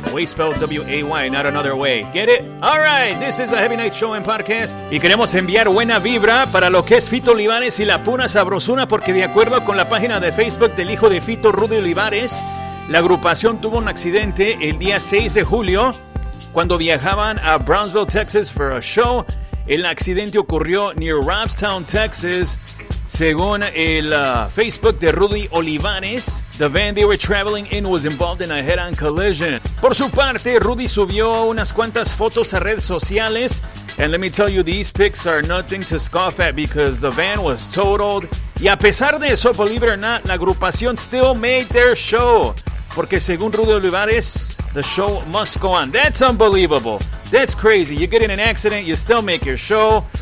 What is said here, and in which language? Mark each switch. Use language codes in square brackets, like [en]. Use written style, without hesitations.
[en] Way spelled W-A-Y, not another way. Get it? All right. This is the Heavy Nights Show and Podcast. [es] Y queremos enviar buena vibra para lo que es Fito Olivares y la Puna Sabrosuna, porque de acuerdo con la página de Facebook del hijo de Fito, Rudy Olivares, la agrupación tuvo un accidente el día 6 de julio cuando viajaban a Brownsville, Texas [en] for a show. [es] El accidente ocurrió [en] near [es] Robstown, Texas, según el Facebook de Rudy Olivares. [en] The van they were traveling in was involved in a head-on collision. [es] Por su parte, Rudy subió unas cuantas fotos a redes sociales. [en] And let me tell you, these pics are nothing to scoff at because the van was totaled. [es] Y a pesar de eso, [en] believe it or not, [es] la agrupación [en] still made their show. [es] Porque según [en] Rudy Olivares, the show must go on. That's unbelievable. That's crazy. You get in an accident, you still make your show.